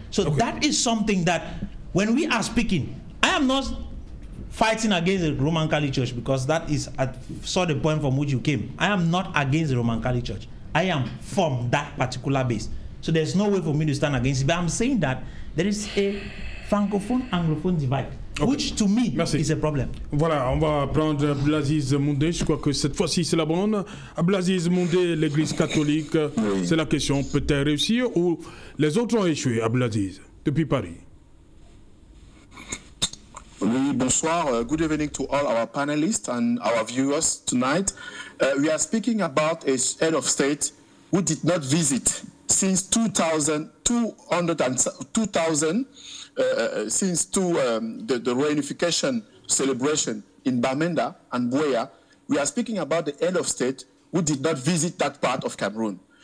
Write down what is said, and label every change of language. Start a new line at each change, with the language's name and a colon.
English: So that is something that when we are speaking, I am not fighting against the Roman Catholic Church, because that is at sort of the point from which you came. I am not against the Roman Catholic Church. I am from that particular base. So there's no way for me to stand against it. But I'm saying that there is a francophone anglophone divide. Okay. Which, to me, is a problem.
French: Voilà, on va prendre Blasis Moundé. Je crois que cette fois-ci, c'est la bonne. Blasis Moundé, l'Église catholique, c'est la question. Peut-elle réussir ou les autres ont échoué à Blasis depuis Paris? Oui, bonsoir.
English: Good evening to all our panelists and our viewers tonight. We are speaking about a head of state who did not visit since 2000. Since the reunification celebration in Bamenda and Buea, we are speaking about the head of state who did not visit that part of Cameroon.